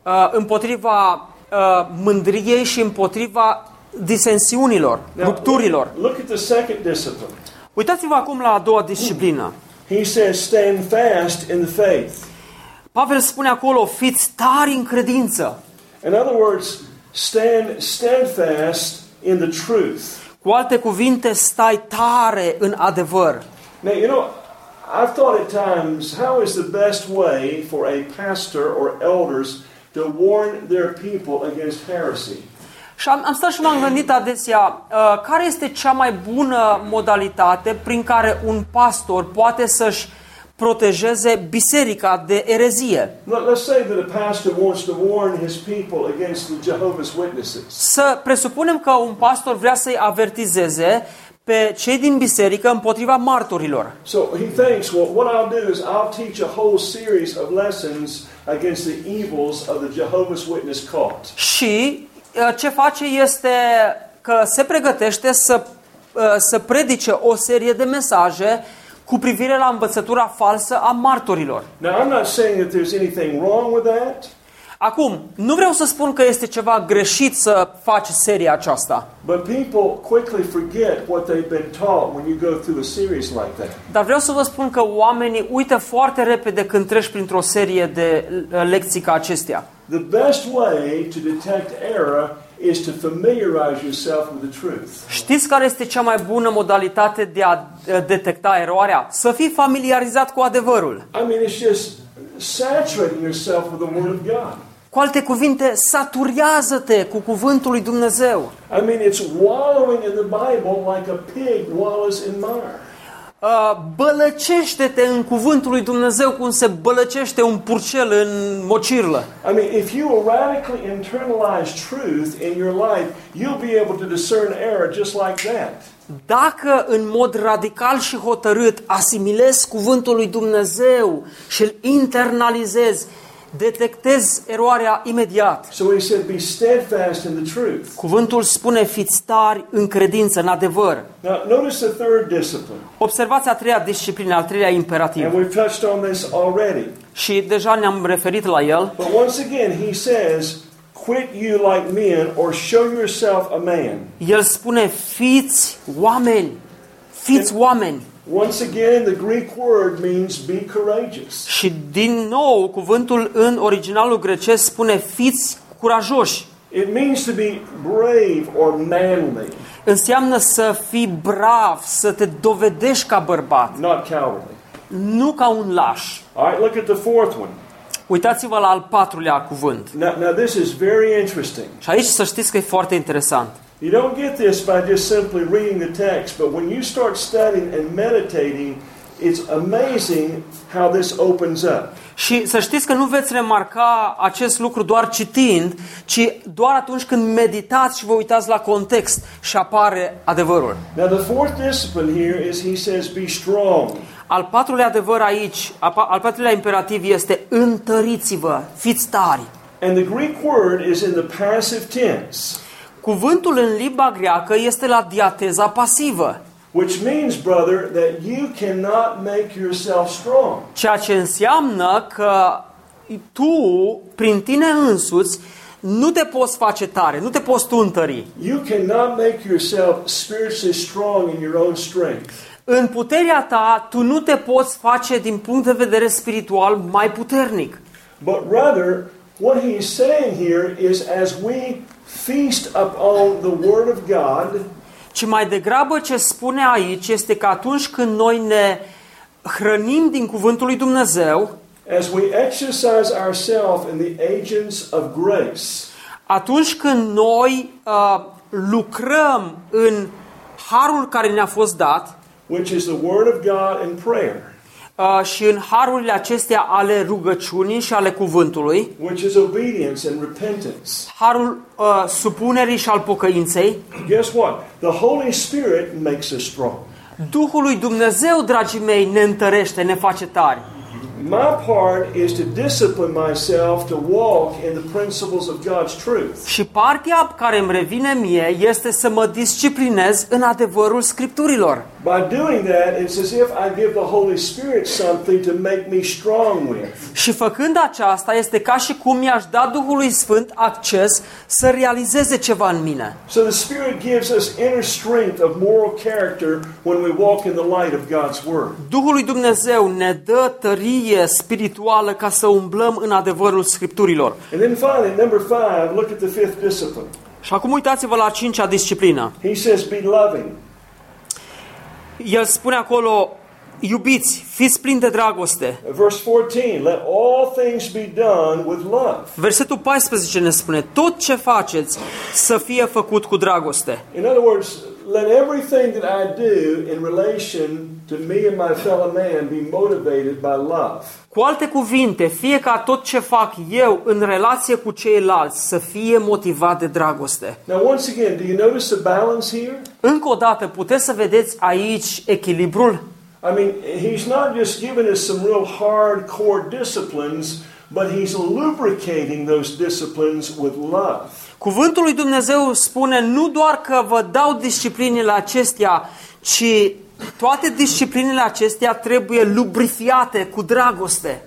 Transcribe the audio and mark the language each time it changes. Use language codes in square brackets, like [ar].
[ro] Împotriva mândriei și împotriva disensiunilor, [en] now, [ro] rupturilor. [en] Look at the second discipline. [ro] Uitați-vă acum la a doua disciplină. [en] He says, stand fast in the faith. [ro] Pavel spune acolo, fiți tari în credință. [en] In other words, stand fast in the truth. [ro] Cu alte cuvinte, stai tare în adevăr. [en] Now, you know, I've thought at times, how is the best way for a pastor or elders to warn their people against heresy? [ro] Și am stat și m-am gândit adesea, care este cea mai bună modalitate prin care un pastor poate să-și protejeze biserica de erezie? [en] Let's say that a pastor wants to warn his people against the Jehovah's Witnesses. [ro] Să presupunem că un pastor vrea să-i avertizeze pe cei din biserică împotriva martorilor. [en] So he thinks, well, what I'll do is I'll teach a whole series of lessons against the evils of the Jehovah's Witness cult. [ro] Și ce face este că se pregătește să predice o serie de mesaje cu privire la învățătura falsă a martorilor. [en] Now, I'm not saying that there's anything wrong with that. [ro] Acum, nu vreau să spun că este ceva greșit să faci seria aceasta. [en] But people quickly forget what they've been taught when you go through a series like that. [ro] Dar vreau să vă spun că oamenii uită foarte repede când treci printr-o serie de lecții ca acestea. [en] The best way to detect error is to familiarize yourself with the truth. [ro] Știți care este cea mai bună modalitate de a detecta eroarea? Să fii familiarizat cu adevărul. [en] I mean, it's just saturating yourself with the word of God. [ro] Cu alte cuvinte, saturează-te cu cuvântul lui Dumnezeu. [en] I mean, it's wallowing in the Bible like a pig wallows in mire. [ro] Bălăcește-te în cuvântul lui Dumnezeu cum se bălăcește un purcel în mocirlă. [en] I mean, if you radically internalize truth in your life, you'll be able to discern error just like that. [ro] Dacă în mod radical și hotărât asimilezi cuvântul lui Dumnezeu și îl internalizezi, detectezi eroarea imediat. [en] So he said, be steadfast in the truth. [ro] Cuvântul spune, fiți tari în credință, în adevăr. [en] Now, notice the third discipline. [ro] Observați a treia disciplină, al treia imperativ. [en] And we've touched on this already. [ro] Și deja ne-am referit la el. [en] But once again, he says, quit you like men or show yourself a man. [ro] El spune, fiți oameni. Fiți oameni. [en] Once again, the Greek word means be courageous. [ro] Și din nou, cuvântul în originalul grecesc spune fiți curajoși. [en] It means to be brave or manly. [ro] Înseamnă să fii brav, să te dovedești ca bărbat. [en] Not cowardly. [ro] nu ca un laș. [en] All right, look at the fourth one. [ro] Uitați-vă la al patrulea cuvânt. [en] Now this is very interesting. [ro] Și aici să știți că e foarte interesant. [en] You don't get this by just simply reading the text, but when you start studying and meditating, it's amazing how this opens up. [ro] Și să știți că nu veți remarca acest lucru doar citind, ci doar atunci când meditați și vă uitați la context și apare adevărul. [en] Now the fourth discipline here is he says be strong. [ro] Al patrulea adevăr aici, al patrulea imperativ este întăriți-vă, fiți tari. [en] And the Greek word is in the passive tense. [ro] Cuvântul în limba greacă este la diateza pasivă. [en] Which means, brother, that you cannot make yourself strong. [ro] Ceea ce înseamnă că tu, prin tine însuți, nu te poți face tare, nu te poți tu întări. [en] You cannot make yourself spiritually strong in your own strength. [ro] În puterea ta, tu nu te poți face din punct de vedere spiritual mai puternic. [en] But rather, what he is saying here is as we feast upon the word of God. [ro] Ci mai degrabă ce spune aici este că atunci când noi ne hrănim din cuvântul lui Dumnezeu, [en] as we exercise ourselves in the agents of grace. [ro] Atunci când noi lucrăm în harul care ne-a fost dat, [en] which is the word of God and prayer. [ro] Și în harurile acestea ale rugăciunii și ale cuvântului, [en] which is obedience and repentance. [ro] Harul supunerii și al pocăinței. [en] Guess what? The Holy Spirit makes us strong. [ro] Duhul lui Dumnezeu, dragii mei, ne întărește, ne face tari. [en] My part is to discipline myself to walk in the principles of God's truth. [ro] Și partea care îmi revine mie este să mă disciplinez în adevărul Scripturilor. [en] By doing that, it's as if I give the Holy Spirit something to make me strong with. [ro] Și făcând aceasta, este ca și cum mi-aș da Duhului Sfânt acces să realizeze ceva în mine. [en] So the Spirit gives us inner strength of moral character when we walk in the light of God's word. [ro] Duhul lui Dumnezeu ne dă tărie spirituală ca să umblăm în adevărul Scripturilor. [en] And then finally, number five, look at the fifth discipline. [ro] Și acum uitați-vă la a cincea disciplină. [en] He says, be loving. [ro] El spune acolo, iubiți, fiți plini de dragoste. [en] Verse 14, let all things be done with love. [ro] Versetul 14 ne spune, tot ce faceți să fie făcut cu dragoste. [en] In other words, let everything that I do in relation to me and my fellow man be motivated by love. [ro] Cu alte cuvinte, fie ca tot ce fac eu în relație cu ceilalți să fie motivat de dragoste. [en] Now, once again, do you notice the balance here? [ro] Încă o dată, puteți să vedeți aici echilibrul? [en] I mean, he's not just giving us some real hardcore disciplines, but he's lubricating those disciplines with love. [ro] Cuvântul lui Dumnezeu spune nu doar că vă dau disciplinile acestea, ci toate disciplinele acestea trebuie lubrifiate cu dragoste.